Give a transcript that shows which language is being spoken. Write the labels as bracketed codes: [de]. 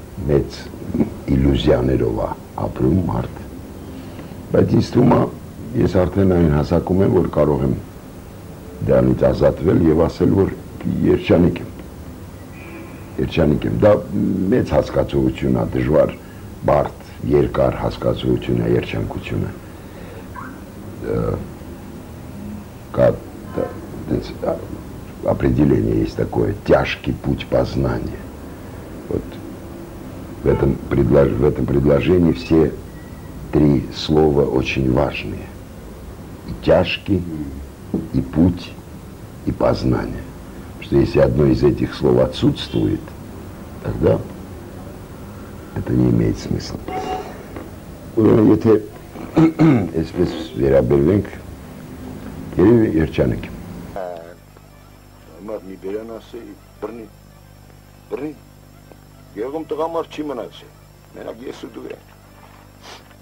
[hy] մեծ իլյուզիաներով է ապրում մարդ, բայց ինձ թվում է, ես արդեն այն հասակում եմ, որ կարող եմ դրանից ազատվել և ասել, որ երջանիկ եմ, երջանիկ եմ, դա մեծ հասկացողություն է, դժվար, բարդ, երկար հասկացողությունը, երջանկությունը, կա դենց [ru] определение есть такое, тяжкий путь познания. Вот в этом предложении все три слова очень важные: и тяжкий, и путь, и познание. Что если одно из этих слов отсутствует, тогда это не имеет смысла. [hy] Ուրեմն եթե այսպես վերաբերվենք, երևի երջանիկ եմ։ Համար մի բերան ասե, բռնի, բռնի, գեղում տղամար չի մնացե, մենակ ես ու դու էր։